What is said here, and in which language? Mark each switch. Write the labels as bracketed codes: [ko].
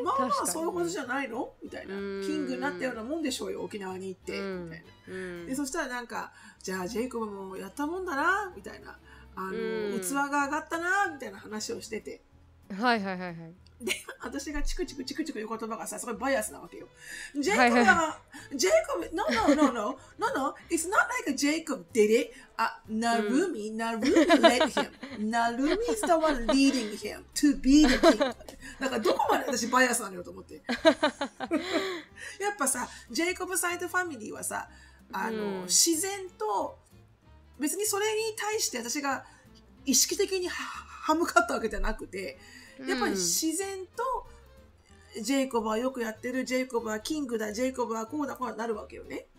[ja] まあまあそういうことじゃないのみたいな。キングになったようなもんでしょうよ、沖縄に行って、うん、みたいな、うん、でそしたらなんか、じゃあジェイコブもやったもんだなみたいな、あの、うん、器が上がったなみたいな話をしてて、はいはいはいはい、で私がチクチクチクチク言う言葉がさ、すごいバイアスなわけよ。ジェイコブが、はいはい、ジェイコブ、ノノノノノノ、 [en] It's not like a Jacob did it. あ、ナルミ、ナルミ led him. ナルミ is the one leading him to be the king. [ja] なんかどこまで私バイアスなのよと思って。やっぱさ、ジェイコブサイドファミリーはさ、あの、うん、自然と、別にそれに対して私が意識的に歯向かったわけじゃなくて、やっぱり自然とジェイコブはよくやってる、ジェイコブはキングだ、ジェイコブはこうだ、こうなるわけよね。